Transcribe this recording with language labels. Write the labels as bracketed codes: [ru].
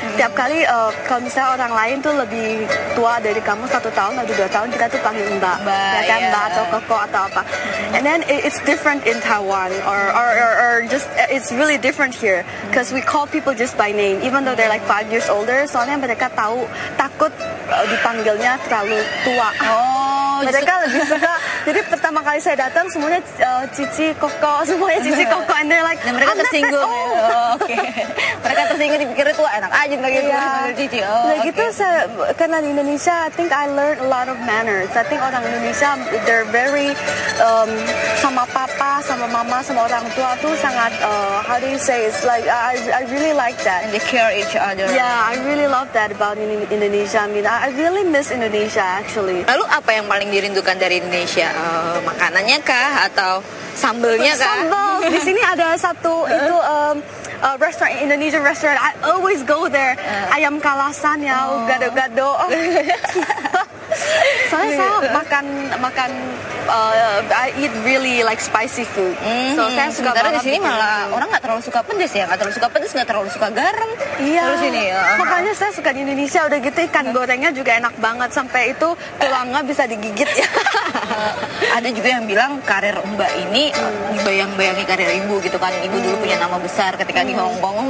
[id] Tiap kali kalau misalnya orang lain tuh lebih tua dari kamu 1 tahun atau 2 tahun, kita tuh panggil Mbak, ya kan, Mbak atau Koko atau apa. [en] And then it's different in Taiwan or just it's really different here, cause we call people just by name, even though they're like 5 years older. [id] Soalnya mereka tahu takut dipanggilnya terlalu tua. Oh, mereka lebih suka. Jadi pertama kali saya datang semuanya cici koko, semuanya cici koko, [en] and they're like, [id] nah, mereka tersinggung. Oh, oke. Okay. Mereka tersinggung, dipikir tua enak aja bagi gue cici. Oh, nah, [en] okay. [id] Gitu saya karena di Indonesia, [en] I think I learned a lot of manners. I think [id] orang Indonesia [en] they're very [id] sama papa, sama mama, sama orang tua tuh sangat [en] how do you say, it's like I really like that. And they care each other. Yeah, I really love that about Indonesia. I mean, I really miss Indonesia actually. [id] Lalu apa yang paling dirindukan dari Indonesia? Makanannya kah atau sambelnya kah? Sambel. Di sini ada satu itu restaurant, [en] Indonesian restaurant. I always go there. Ayam kalasan ya, gado-gado. [id] Saya makan [en] I eat really like spicy food. [id] So saya suka banget. Di sini malah orang nggak terlalu suka pedes ya, nggak terlalu suka pedes, nggak terlalu suka garam. Iya. Terus ini makanya saya suka di Indonesia udah gitu ikan gorengnya juga enak banget, sampai itu tulangnya bisa digigit. Ada juga yang bilang karir Mbak ini dibayang-bayangi karir ibu gitu kan, ibu dulu punya nama besar ketika di Hong Kong.